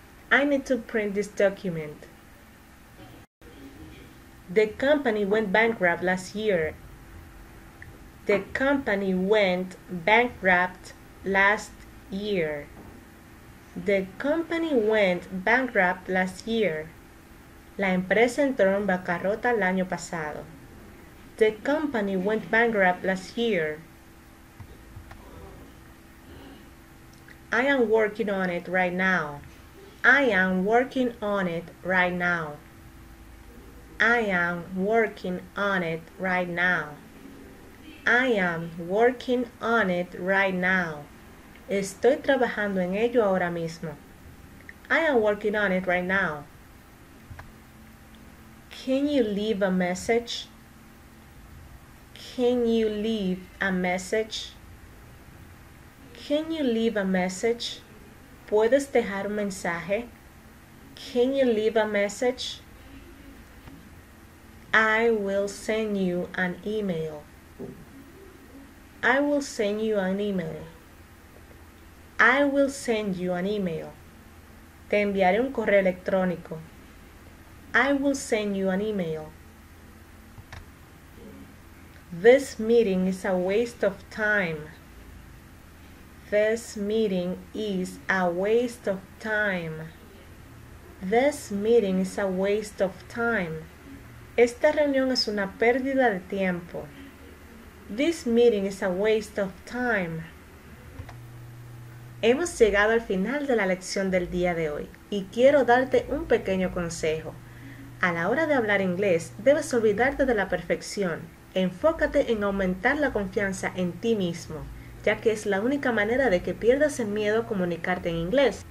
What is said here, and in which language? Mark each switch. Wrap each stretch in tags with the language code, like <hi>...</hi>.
<en>I need to print this document. The company went bankrupt last year. The company went bankrupt last year. The company went bankrupt last year.</en> <es>La empresa entró en bancarrota el año pasado.</es> <en>The company went bankrupt last year. I am working on it right now. I am working on it right now. I am working on it right now. I am working on it right now.</en> <es>Estoy trabajando en ello ahora mismo.</es> <en>I am working on it right now. Can you leave a message? Can you leave a message? Can you leave a message?</en> <es>¿Puedes dejar un mensaje?</es> <en>Can you leave a message? I will send you an email. I will send you an email. I will send you an email.</en> <es>Te enviaré un correo electrónico.</es> <en>I will send you an email. This meeting is a waste of time. This meeting is a waste of time. This meeting is a waste of time.</en> <es>Esta reunión es una pérdida de tiempo. This meeting is a waste of time. Hemos llegado al final de la lección del día de hoy y quiero darte un pequeño consejo. A la hora de hablar inglés, debes olvidarte de la perfección Enfócate en aumentar la confianza en ti mismo, ya que es la única manera de que pierdas el miedo a comunicarte en inglés.</es>